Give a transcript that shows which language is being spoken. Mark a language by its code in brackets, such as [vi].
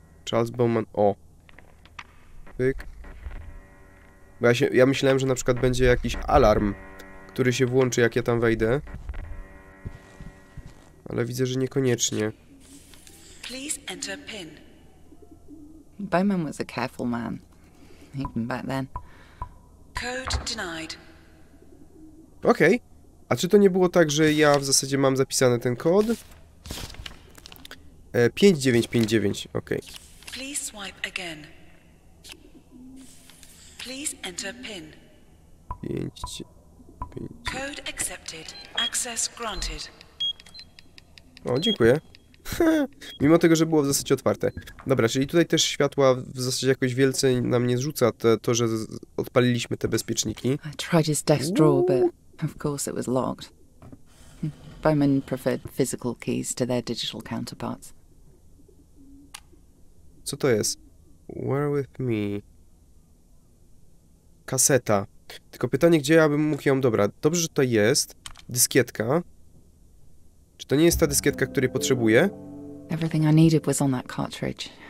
[pl] Charles Bowman. O. Cyk. Bo ja myślałem, że na przykład będzie jakiś alarm, który się włączy, jak ja tam wejdę. Ale widzę, że niekoniecznie. [en] Please enter PIN. Bowman was a careful man, even back then. Code denied. Okej. Okay. [pl] A czy to nie było tak, że ja w zasadzie mam zapisany ten kod? 5959, okej. [en] Okay. Please swipe again. Please enter PIN. 5959. Code accepted. Access granted. [pl] O, dziękuję. Mimo tego, że było w zasadzie otwarte. Dobra, czyli tutaj też światła w zasadzie jakoś wielce nam nie zrzuca to, że odpaliliśmy te bezpieczniki. [en] I tried his desk drawer, but of course it was locked. Bowman preferred physical keys to their digital counterparts. [pl] Co to jest? [en] Where with me? [pl] Kaseta. Tylko pytanie, gdzie ja bym mógł ją... Dobra, dobrze, że to jest. Dyskietka. Czy to nie jest ta dyskietka, której potrzebuję? [en] Everything I needed was on that cartridge.